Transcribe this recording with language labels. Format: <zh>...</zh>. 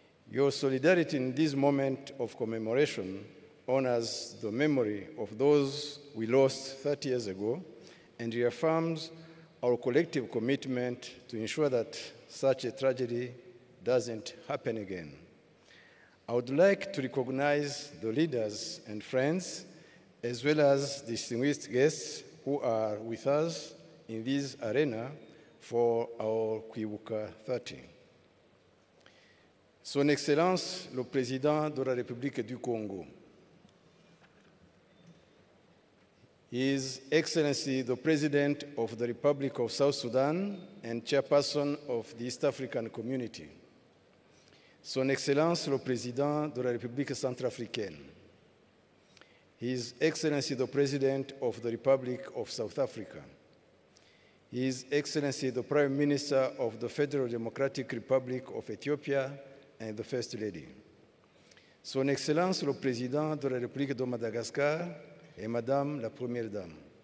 <en>Your solidarity in this moment of commemoration honors the memory of those we lost 30 years ago and reaffirms our collective commitment to ensure that such a tragedy doesn't happen again. I would like to recognize the leaders and friends as well as distinguished guests who are with us in this arena for our Kwibuka 30.</en> <fr>Son Excellence, le Président de la République du Congo.</fr> <en>His Excellency, the President of the Republic of South Sudan and Chairperson of the East African Community.</en> <fr>Son Excellence, le Président de la République Centrafricaine.</fr> <en>His Excellency the President of the Republic of South Africa, His Excellency the Prime Minister of the Federal Democratic Republic of Ethiopia and the First Lady,</en> <fr>Son Excellence le Président de la République de Madagascar et Madame la Première Dame,</fr>